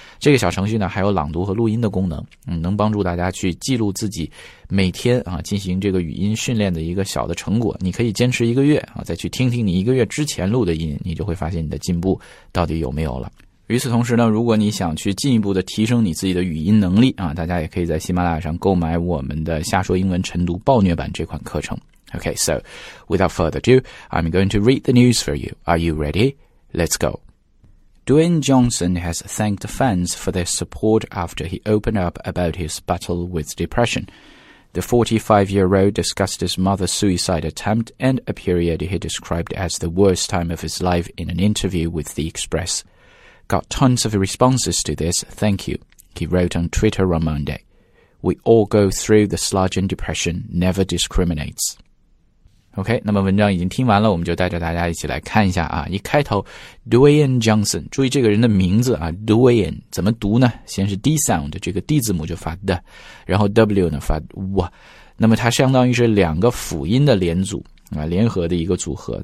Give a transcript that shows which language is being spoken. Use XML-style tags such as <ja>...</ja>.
<zh>这个小程序呢还有朗读和录音的功能，能帮助大家去记录自己每天啊进行这个语音训练的一个小的成果。你可以坚持一个月啊，再去听听你一个月之前录的音，你就会发现你的进步到底有没有了。与此同时呢，如果你想去进一步的提升你自己的语音能力啊，大家也可以在喜马拉雅上购买我们的下说英文晨读暴虐版这款课程。</zh> <en>Okay, so without further ado, I'm going to read the news for you. Are you ready? Let's go. Dwayne Johnson has thanked fans for their support after he opened up about his battle with depression. The 45-year-old discussed his mother's suicide attempt and a period he described as the worst time of his life in an interview with The Express. Got tons of responses to this, thank you, he wrote on Twitter on Monday. We all go through the sludge and depression never discriminates.</en> <zh>OK, 那么文章已经听完了，我们就带着大家一起来看一下啊。一开头 ,Dwayne Johnson, 注意这个人的名字啊 ,Dwayne, 怎么读呢？先是 D sound, 这个 D 字母就发 D, 然后 W 呢发 W, 那么它相当于是两个辅音的连组啊，联合的一个组合。</zh>